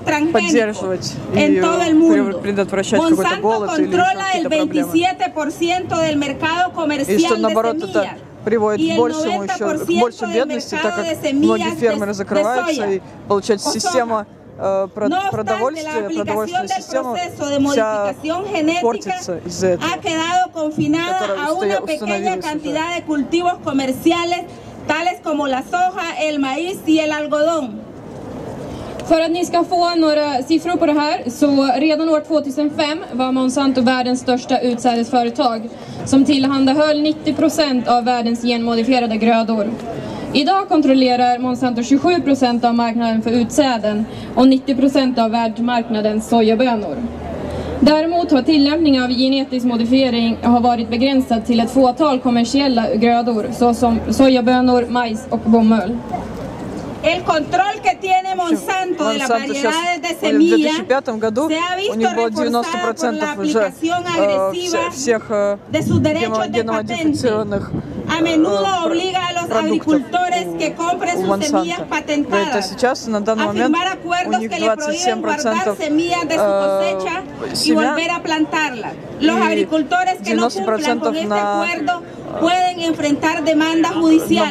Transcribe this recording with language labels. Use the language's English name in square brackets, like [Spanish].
[Russian] поддерживать и предотвращать какой-то голод или какие-то проблемы. И что, наоборот, это приводит к большей бедности, так как многие фермеры закрываются и получается система продовольствие, продовольственная система вся портится из-за этого, которая установилась. [Spanish] Tales como la soja, el maíz y el algodón. [Swedish] För att ni ska få några siffror på det här, så redan år 2005 var Monsanto världens största utsädesföretag som tillhandahöll 90% av världens genmodifierade grödor. Idag kontrollerar Monsanto 27% av marknaden för utsäden och 90% av världsmarknadens sojabönor. Däremot har tillämpning av genetisk modifiering har varit begränsad till ett fåtal kommersiella grödor såsom sojabönor, majs och bomull. [Spanish] El control que tiene Monsanto de las variedades de semilla. [Russian] В 2005 году у них было 90% уже всех генномодифицированных. [Spanish] A menudo obliga a los agricultores que compren sus semillas patentadas. [Russian] Это сейчас на данный момент у них 27% [Spanish] semillas de su cosecha y volver a plantarlas. Los agricultores que no cumplan con este acuerdo pueden enfrentar demandas judiciales.